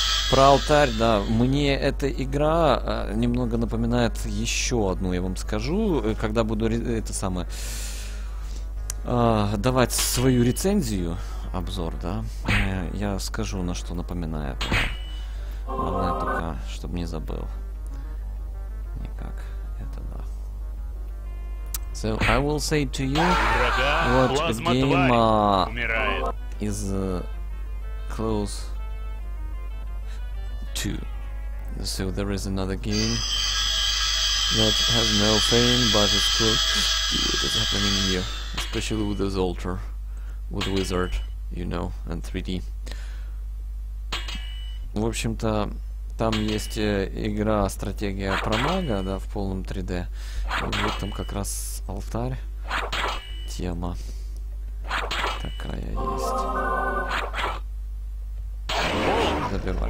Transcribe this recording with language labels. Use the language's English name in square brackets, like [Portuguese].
[Russian] Про алтарь, да, мне эта игра немного напоминает еще одну, я вам скажу, когда буду это самое давать свою рецензию, обзор, да, я скажу, на что напоминает. Главное только, чтобы не забыл. Никак, это да. [English] So, I will say to you, what game is close. Two. So there is another game that has no fame, but it's cool. What is happening here, especially with this altar, with wizard, you know, and 3D. [Russian] В общем-то, там есть игра стратегия про мага, да, в полном 3D. Вот там как раз алтарь тема такая есть.